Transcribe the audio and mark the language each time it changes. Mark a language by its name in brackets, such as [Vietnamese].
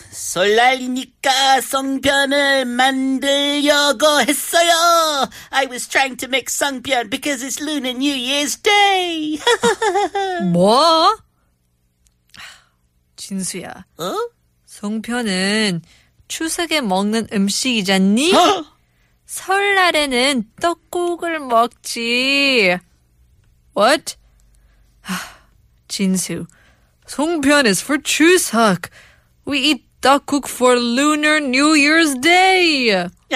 [Korean] 설날이니까 성편을 만들려고 했어요. [English] I was trying to make 성편 because it's Lunar New Year's Day. [Korean] 뭐? 진수야. 어? 성편은 추석에 먹는 음식이잖니? 설날에는 떡국을 먹지. [English] What? [Korean] 진수. [English] 송편 is for Chuseok. We eat tteokguk for Lunar New Year's Day.